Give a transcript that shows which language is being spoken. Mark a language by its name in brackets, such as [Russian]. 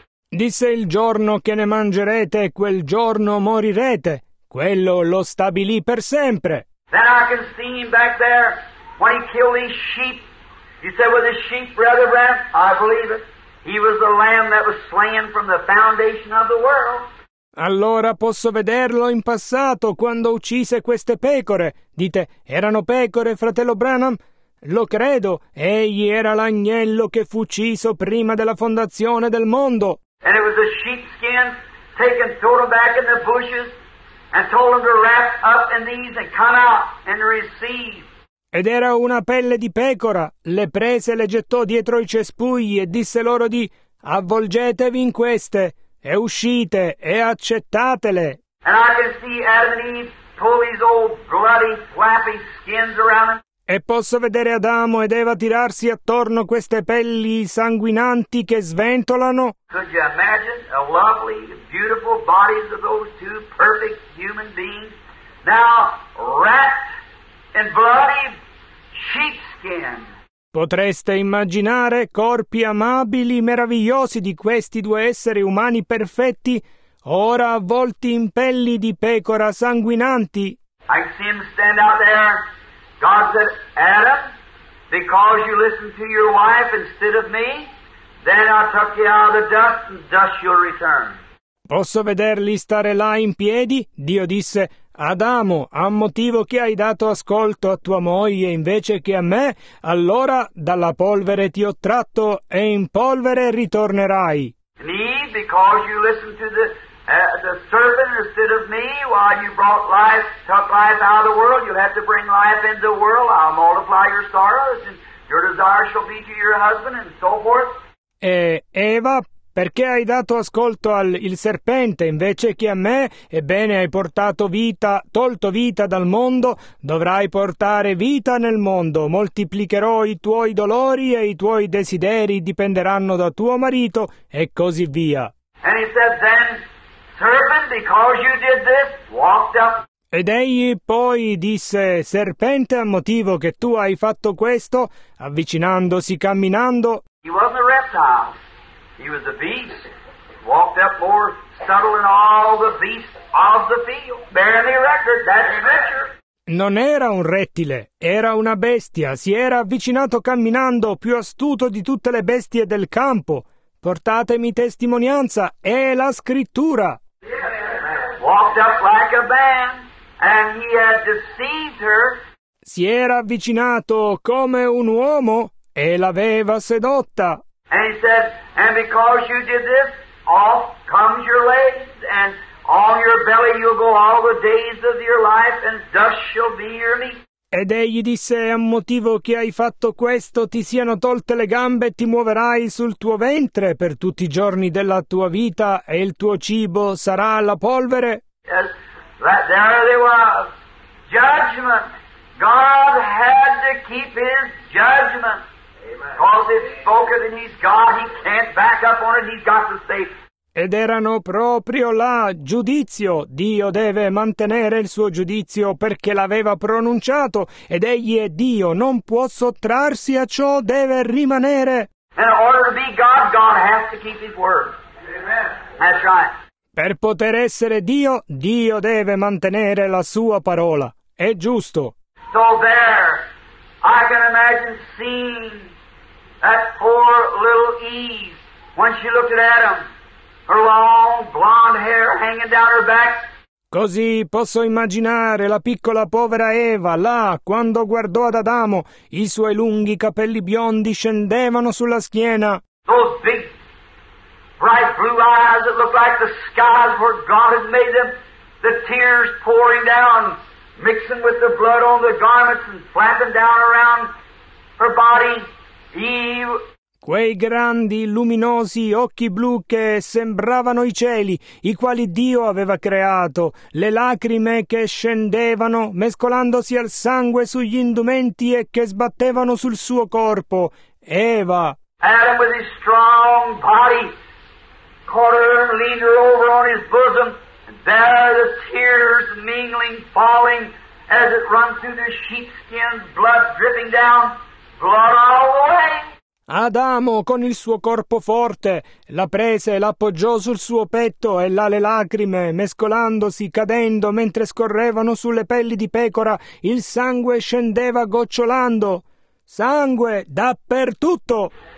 [Italian] Disse: il giorno che ne mangerete, quel giorno morirete. Quello lo stabilì per sempre. [English] Then I can see him back there when he killed his sheep. He said, with his sheep, Brother Branham, I believe it. He was the lamb that was slain from the foundation of the world. [Italian] Allora posso vederlo in passato quando uccise queste pecore. Dite, erano pecore, fratello Branham? Lo credo, egli era l'agnello che fu ucciso prima della fondazione del mondo. [English] And it was a sheepskin taken, thrown back in the bushes, and told them to wrap up in these and come out and receive. [Italian] Ed era una pelle di pecora, le prese e le gettò dietro i cespugli e disse loro di avvolgetevi in queste e uscite e accettatele. [English] And I can see Adam and Eve pull these old bloody flappy skins around them. [Italian] E posso vedere Adamo ed Eva tirarsi attorno queste pelli sanguinanti che sventolano. [English] Could you imagine the lovely, beautiful bodies of those two perfect human beings now wrapped in bloody sheepskin? [Italian] Potreste immaginare corpi amabili, meravigliosi di questi due esseri umani perfetti, ora avvolti in pelli di pecora sanguinanti? [English] I see them stand out there. God said, Adam, because you listened to your wife instead of me, then I took you out of the dust and thus you'll return. [Italian] Posso vederli stare là in piedi? Dio disse, Adamo, a motivo che hai dato ascolto a tua moglie invece che a me, allora dalla polvere ti ho tratto e in polvere ritornerai. [English] And Eve, because you listened to the serpent instead of me, while you brought life, took life out of the world, you'll have to bring life into the world. I'll multiply your sorrows, and your desire shall be to your husband, and so forth. [Italian] E Eva, perché hai dato ascolto al serpente invece che a me? Ebbene, hai portato vita, tolto vita dal mondo, dovrai portare vita nel mondo. Moltiplicherò i tuoi dolori e i tuoi desideri dipenderanno da tuo marito, e così via. [English] And he said, then, serpent, because you did this, walked up. [Italian] Ed egli poi disse, serpente, a motivo che tu hai fatto questo, avvicinandosi, camminando. [English] He wasn't a reptile. He was a beast. Walked up more subtle than all the beasts of the field. Barely record, that's scripture. [Italian] Non era un rettile, era una bestia. Si era avvicinato camminando, più astuto di tutte le bestie del campo. Portatemi testimonianza, è la scrittura. [English] Walked up like a man, and he had deceived her. [Italian] Si era avvicinato come un uomo e l'aveva sedotta. [English] And he said, and because you did this, off comes your legs, and on your belly you'll go all the days of your life, and dust shall be your meat. [Italian] Ed egli disse, a motivo che hai fatto questo, ti siano tolte le gambe e ti muoverai sul tuo ventre per tutti i giorni della tua vita e il tuo cibo sarà la polvere. [English] Yes, there they were. Judgment. God had to keep his judgment. Amen. Because it's spoken and he's God, he can't back up on it, he's got to stay. [Italian] Ed erano proprio là, giudizio. Dio deve mantenere il suo giudizio perché l'aveva pronunciato, ed egli è Dio, non può sottrarsi a ciò, deve rimanere. [English] In order to be God, God has to keep his word. Amen. That's right. [Italian] Per poter essere Dio, Dio deve mantenere la sua parola. È giusto. [English] So there, I can imagine seeing that poor little Eve when she looked at Adam. Her long blonde hair hanging down her back. [Italian] Così posso immaginare la piccola povera Eva là quando guardò ad Adamo, i suoi lunghi capelli biondi scendevano sulla schiena. [English] Those big, bright blue eyes that looked like the skies where God had made them. The tears pouring down, mixing with the blood on the garments and flapping down around her body. Eve. [Italian] Quei grandi, luminosi occhi blu che sembravano i cieli, i quali Dio aveva creato, le lacrime che scendevano, mescolandosi al sangue sugli indumenti e che sbattevano sul suo corpo. Eva. [English] Adam with his strong body, caught her and leaned her over on his bosom. There the tears mingling, falling as it runs through the sheepskin, blood dripping down, blood all the way. [Italian] Adamo, con il suo corpo forte, la prese e l'appoggiò sul suo petto e là le lacrime, mescolandosi, cadendo, mentre scorrevano sulle pelli di pecora, il sangue scendeva gocciolando. Sangue dappertutto!